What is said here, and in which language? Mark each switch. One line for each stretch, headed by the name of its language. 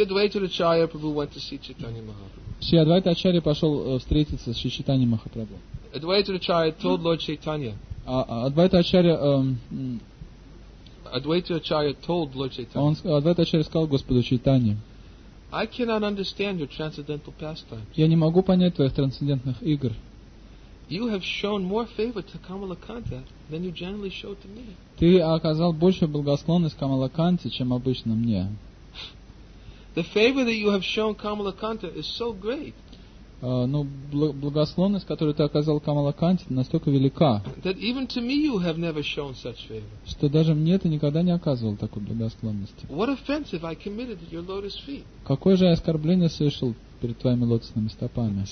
Russian: Адвайта Ачарья пошел встретиться с Шри Чайтаньей Махапрабху. Адвайта Ачарья сказал Господу Чайтанье,
English: I cannot understand your transcendental pastimes.
Russian: Я не могу понять твоих трансцендентных игр.
English: You have shown more favor to Kamalakanta than you generally show to me.
Russian: Ты оказал больше благосклонность Камалаканте, чем обычно мне.
English: The favor that you have shown Kamalakanta is so great.
Russian: Благосклонность, которую ты оказал Камалаканте, настолько велика.
English: That even to me you have never shown such favor.
Russian: Что даже мне ты никогда не оказывал такой благосклонности.
English: What offense have I committed at your lotus feet?
Russian: Какое же я оскорбление совершил перед твоими лотосными стопами?